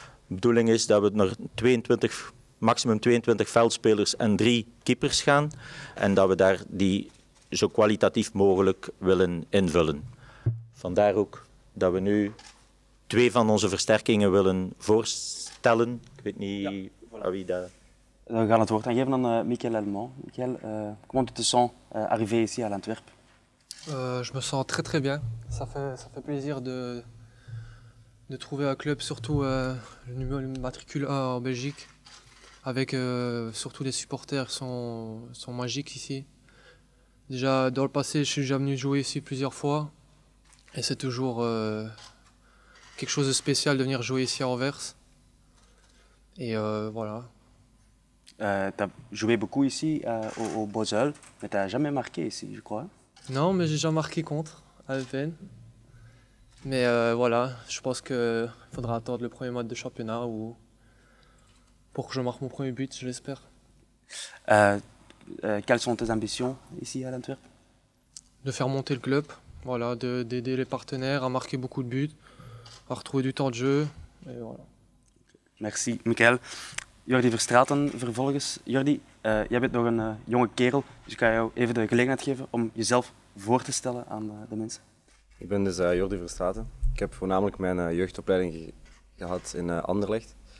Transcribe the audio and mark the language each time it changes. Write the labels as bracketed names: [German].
[Dutch] De bedoeling is dat we naar maximum 22 veldspelers en 3 keepers gaan. En dat we daar die zo kwalitatief mogelijk willen invullen. Vandaar ook dat we nu 2 van onze versterkingen willen voorstellen. Ik weet niet aan wie dat... We gaan het woord aan geven aan Michael Lallemand. [French] Michael, comment tu te sens arrivé ici à l'Antwerp? Je me sens très très bien. Ça fait plaisir de trouver un club, surtout le numéro de matricule 1 en Belgique, avec surtout les supporters sont magiques ici. Déjà, dans le passé, je suis déjà venu jouer ici plusieurs fois. Et c'est toujours quelque chose de spécial de venir jouer ici à Anvers. Et voilà. Tu as joué beaucoup ici au Bozel, mais tu n'as jamais marqué ici, je crois. Non, mais j'ai déjà marqué contre, à peine. Mais voilà, je pense qu'il faudra attendre le premier mois de championnat ou pour que je marque mon premier but, je l'espère. Quelles sont tes ambitions ici à l'Antwerp? De faire monter le club, voilà, d'aider les partenaires à marquer beaucoup de buts, à retrouver du temps de jeu. Et voilà. Merci, Michael. [Dutch] Jordi Verstraeten vervolgens. Jordi, jij bent nog een jonge kerel, dus ik ga jou even de gelegenheid geven om jezelf voor te stellen aan de mensen. Ik ben dus Jordi Verstraeten. Ik heb voornamelijk mijn jeugdopleiding gehad in Anderlecht.